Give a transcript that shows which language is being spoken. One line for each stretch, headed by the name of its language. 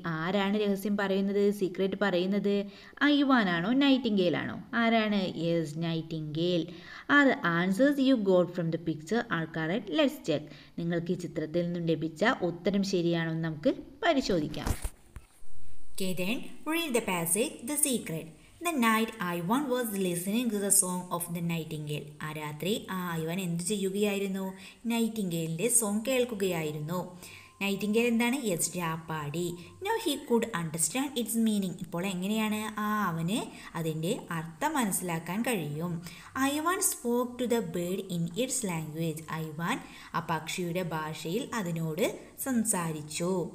Malayalam: ആരാണ് രഹസ്യം പറയുന്നത്, സീക്രറ്റ് പറയുന്നത്? ഐവാനാണോ നൈറ്റിംഗേൽ ആണോ? ആരാണ്?
English: Yes, Nightingale. Are the answers you got from the picture are correct? Let's check.
Malayalam: നിങ്ങൾക്ക് ഈ ചിത്രത്തിൽ നിന്നും ലഭിച്ച ഉത്തരം ശരിയാണോ എന്ന് നമുക്ക് പരിശോധിക്കാം.
English: Okay, then read the passage, The Secret. The night Ivan was listening to the song of the nightingale.
Malayalam: ആ രാത്രി ആ ഐവൻ എന്ത് ചെയ്യുകയായിരുന്നു? നൈറ്റിംഗേലിൻ്റെ സോങ് കേൾക്കുകയായിരുന്നു. നൈറ്റിംഗേൽ എന്താണ്? Yes, Rappadi.
English: No, he could understand its meaning.
Malayalam: ഇപ്പോൾ എങ്ങനെയാണ് ആ അവന് അതിൻ്റെ അർത്ഥം മനസ്സിലാക്കാൻ കഴിയും?
English: Ivan spoke to the bird in its language.
Malayalam: Ivan ആ പക്ഷിയുടെ ഭാഷയിൽ അതിനോട് സംസാരിച്ചു.